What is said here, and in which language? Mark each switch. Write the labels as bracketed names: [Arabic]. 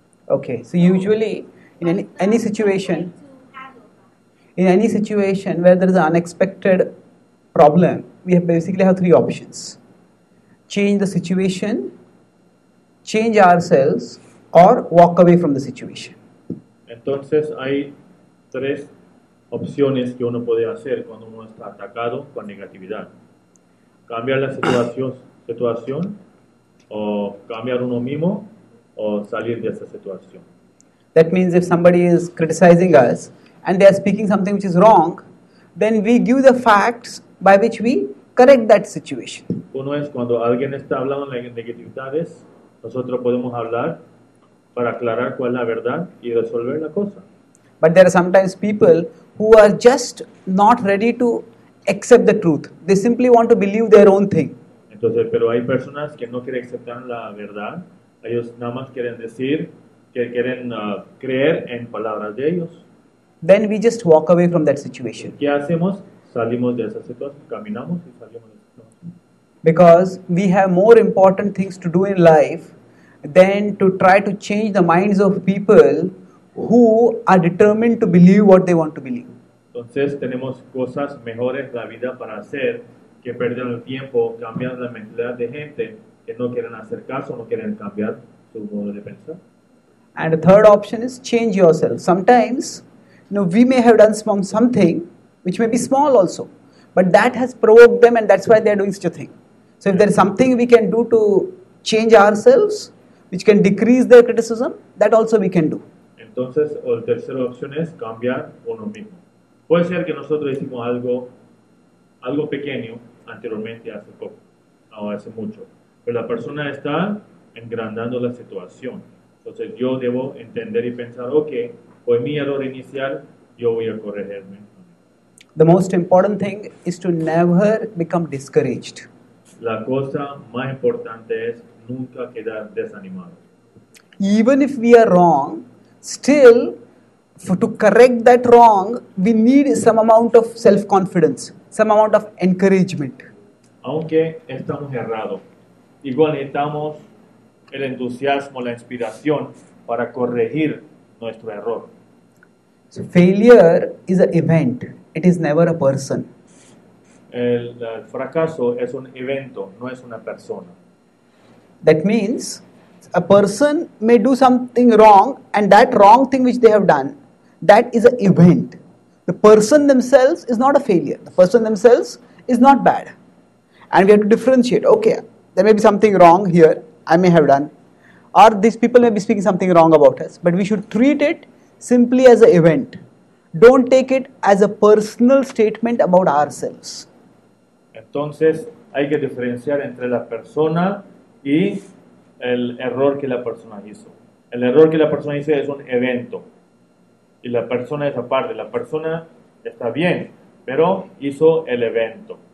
[English] Okay, so usually in any situation where there is an unexpected problem, we basically have three options. Change the situation, change ourselves, or walk away from the situation. [Spanish] Entonces hay tres opciones que uno puede hacer cuando uno está atacado con negatividad. Cambiar la situación, o cambiar uno mismo, or salir de esa situación. [English] That means if somebody is criticizing us and they are speaking something which is wrong, then we give the facts by which we correct that situation. [Spanish] Uno es cuando alguien está hablando de negatividades, nosotros podemos hablar para aclarar cuál es la verdad y resolver la cosa. [English] But there are sometimes people who are just not ready to accept the truth. They simply want to believe their own thing. [Spanish] Entonces, pero hay personas que no quieren aceptar la verdad. Ellos nada más quieren decir que quieren creer en palabras de ellos. [English] Then we just walk away from that situation. [Spanish] ¿Qué hacemos? Salimos de esa situación, caminamos y salimos de esa situación. [English] Because we have more important things to do in life than to try to change the minds of people who are determined to believe what they want to believe. [Spanish] Entonces tenemos cosas mejores en la vida para hacer que perder el tiempo cambiando la mentalidad de gente que no quieren hacer caso, no quieren cambiar su modo de pensar. [English] And the third option is change yourself. Sometimes, you know, we may have done something which may be small also, but that has provoked them and that's why they are doing such a thing. So if there is something we can do to change ourselves, which can decrease their criticism, that also we can do. [Spanish] Entonces, la tercera opción es cambiar uno mismo. Puede ser que nosotros hicimos algo pequeño anteriormente hace poco, o hace mucho, pero la persona está engrandando la situación. Entonces, yo debo entender y pensar, ok, fue mi error inicial, yo voy a corregirme. [English] The most important thing is to never become discouraged. [Spanish] La cosa más importante es nunca quedar desanimado. [English] Even if we are wrong, still, to correct that wrong, we need some amount of self-confidence, some amount of encouragement. [Spanish] Aunque estamos errados, igual necesitamos el entusiasmo, la inspiración para corregir nuestro error. [English] So failure is an event. It is never a person. [Spanish] El fracaso es un evento, no es una persona. [English] That means a person may do something wrong and that wrong thing which they have done, that is an event. The person themselves is not a failure. The person themselves is not bad. And we have to differentiate. Okay, there may be something wrong here I may have done, or these people may be speaking something wrong about us, but we should treat it simply as an event. Don't take it as a personal statement about ourselves. [Spanish] Entonces, hay que diferenciar entre la persona y el error que la persona hizo. El error que la persona hizo es un evento. Y la persona es aparte. La persona está bien, pero hizo el evento.